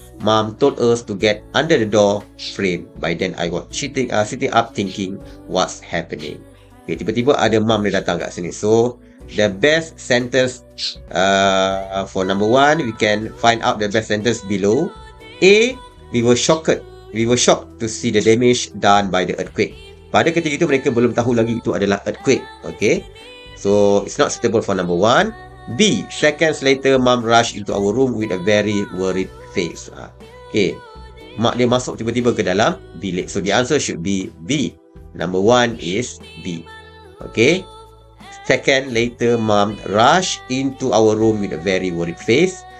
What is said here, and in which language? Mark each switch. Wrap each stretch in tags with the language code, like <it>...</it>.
<en>Mom told us to get under the door frame. By then, I was sitting up thinking what's happening. Okay,</en> <ms>tiba-tiba ada mom dia datang kat sini.</ms> <en>So, the best sentence for number one, we can find out the best sentence below. A, we were shocked to see the damage done by the earthquake.</en> <ms>Pada ketika itu mereka belum tahu lagi itu adalah earthquake.</ms> <en>Okay, so it's not suitable for number one. B, seconds later, mom rushed into our room with a very worried face.</en> <ms>Okay, mak dia masuk tiba-tiba ke dalam bilik.</ms> <en>So the answer should be B. Number one is B. Okay, second later, mom rushed into our room with a very worried face.</en>